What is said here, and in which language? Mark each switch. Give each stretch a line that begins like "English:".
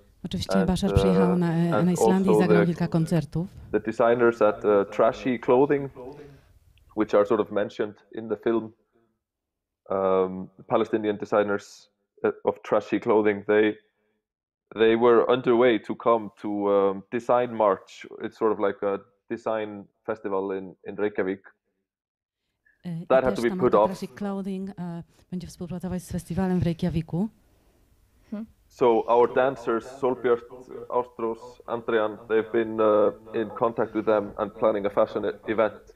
Polish: Oczywiście Bashar przyjechał na Islandię i zagrał kilka koncertów.
English: The designers at Trashy Clothing, which are sort of mentioned in the film, Palestinian designers of Trashy Clothing, they were underway to come to Design March. It's sort of like a design festival in Reykjavik. That had to be put off.
Polish: Trashy Clothing będzie współpracować z festiwalem w Reykjaviku.
English: So our dancers, Solbjörn, Austros, Andrian, they've been in contact with them and planning a fashion event.